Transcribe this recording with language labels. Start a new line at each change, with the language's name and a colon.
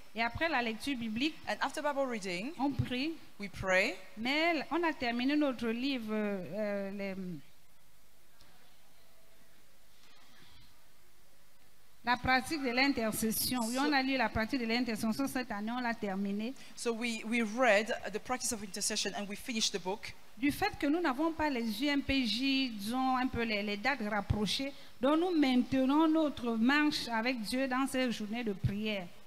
French: Et après la lecture biblique,
English: and after Bible reading,
French: on prie.
English: We pray.
French: Mais on a terminé notre livre. La pratique de l'intercession. Oui, on a lu la pratique de l'intercession cette année. On l'a terminé.
English: So we read the practice of intercession and we finished the book.
French: Du fait que nous n'avons pas les UMPJ, disons un peu les dates rapprochées, donc nous maintenons notre marche avec Dieu dans ces journées de prière.